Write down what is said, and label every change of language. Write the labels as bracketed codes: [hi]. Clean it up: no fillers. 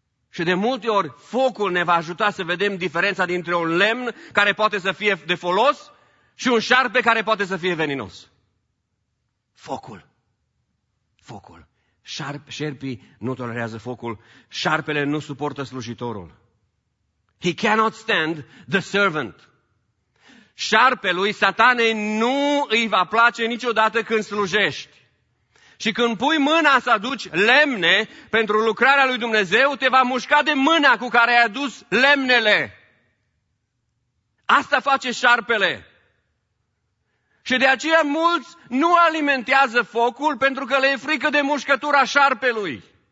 [ro] Și de multe ori focul ne va ajuta să vedem diferența dintre un lemn care poate să fie de folos și un șarpe care poate să fie veninos. Focul. Focul. Șerpii nu tolerează focul. Șarpele nu suportă slujitorul. [en] He cannot stand the servant. [ro] Șarpelui, satanei, nu îi va place niciodată când slujești. Și când pui mâna să aduci lemne pentru lucrarea lui Dumnezeu, te va mușca de mâna cu care ai adus lemnele. Asta face șarpele. Și de aceea mulți nu alimentează focul pentru că le e frică de mușcătura șarpelui.